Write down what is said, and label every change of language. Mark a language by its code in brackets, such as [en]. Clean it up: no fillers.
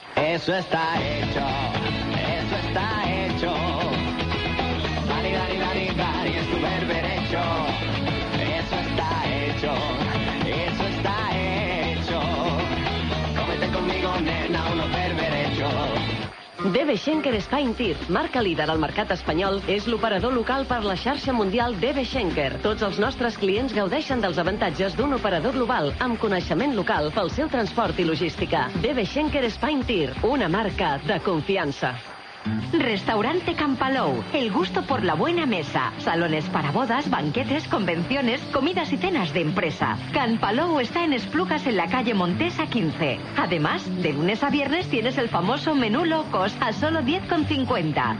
[es] Eso está hecho, eso está hecho. Dale, dale, dale, dale, es tu ver derecho. Eso está hecho, eso está hecho. Cómete conmigo, nena, uno ver derecho. [ca] DB Schenker Spineteer, marca líder al mercat espanyol, és l'operador local per la xarxa mundial DB Schenker. Tots els nostres clients gaudeixen dels avantatges d'un operador global amb coneixement local pel seu transport i logística. DB Schenker Spineteer, una marca de confiança. [es] Restaurante Campalou, el gusto por la buena mesa. Salones para bodas, banquetes, convenciones, comidas y cenas de empresa. Campalou está en Esplugas, en la calle Montesa 15. Además, de lunes a viernes tienes el famoso menú low cost a solo 10,50.